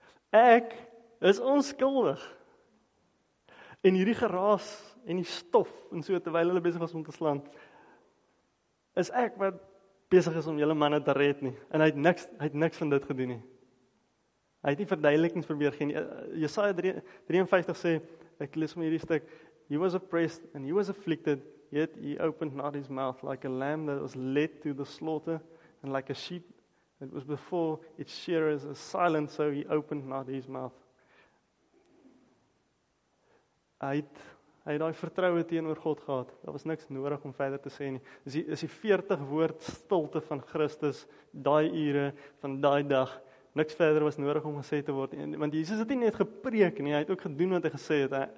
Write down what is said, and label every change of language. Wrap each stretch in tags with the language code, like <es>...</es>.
<af>Ek is onskuldig. En hierdie geraas en die stof en so terwyl hulle besig was om te slaan, is ek wat besig is om julle manne te red nie. En hy het niks van dit gedoen nie. Hy het nie verduidelikings probeer gee nie. Jesaja 53 sê, ek lees my hierdie stuk,</af> <en>"He was oppressed and he was afflicted, yet he opened not his mouth like a lamb that was led to the slaughter and like a sheep that was before its shearers is silent, so he opened not his mouth."</en> <af>Hy het die vertroue teenoor God gehad. Daar was niks nodig om verder te sê nie. Is die 40 woord stilte van Christus, daai ure van daai dag, niks verder was nodig om gesê te word. Want Jesus het nie net gepreek nie, hy het ook gedoen wat hy gesê het.</af>